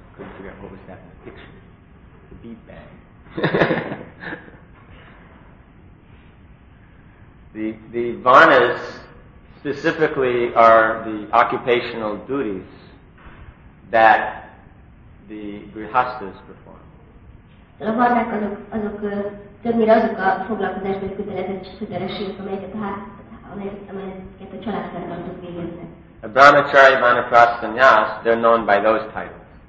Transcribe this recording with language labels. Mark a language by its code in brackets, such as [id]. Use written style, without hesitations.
[en] I couldn't figure out what was that in the picture. The beep bag. The varnas specifically are the occupational duties that the grihasthas perform. [hu] A varnák azok többnyire azok a foglalkozásbeli kötelezettségek, amelyeket a családfenntartók végeznek. [en] A brahmachari, vanaprastha, nyász, they're known by those titles.